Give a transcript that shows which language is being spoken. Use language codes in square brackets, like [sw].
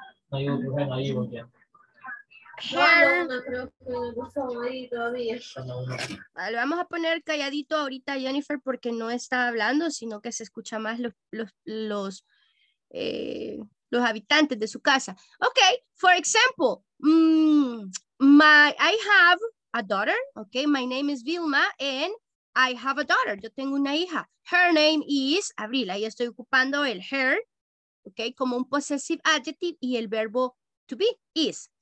[es] Vale, vamos a poner calladito ahorita a Jennifer porque no está hablando, sino que se escucha más los habitantes de su casa. [en] Okay, for example, I have a daughter. Okay, my name is Vilma and I have a daughter. [es] Yo tengo una hija. [en] Her name is Abril. [es] Ahí estoy ocupando el her, okay, como un possessive adjective y el verbo to be is.